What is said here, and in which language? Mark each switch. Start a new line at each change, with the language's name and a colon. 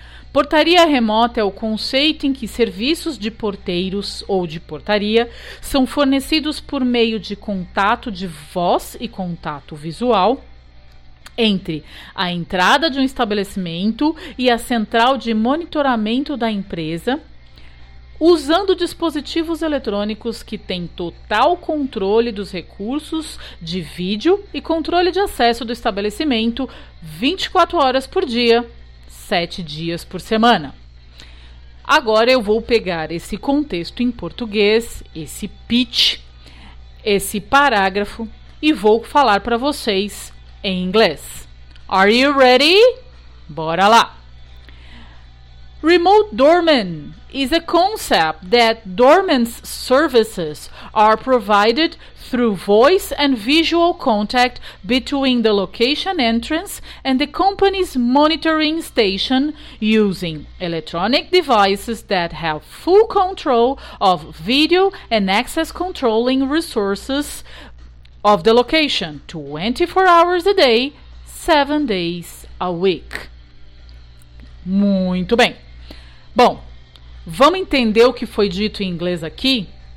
Portuguese: Portaria remota é o conceito em que serviços de porteiros ou de portaria são fornecidos por meio de contato de voz e contato visual entre a entrada de um estabelecimento e a central de monitoramento da empresa, usando dispositivos eletrônicos que têm total controle dos recursos de vídeo e controle de acesso do estabelecimento 24 horas por dia. 7 dias por semana. Agora eu vou pegar esse contexto em português, esse pitch, esse parágrafo, e vou falar para vocês em inglês.
English: Are you ready?
Portuguese: Bora lá!
English: Remote doorman is a concept that doorman's services are provided through voice and visual contact between the location entrance and the company's monitoring station using electronic devices that have full control of video and access controlling resources of the location 24 hours a day, 7 days a week.
Portuguese: Muito bem. Bom, vamos entender o que foi dito em inglês aqui?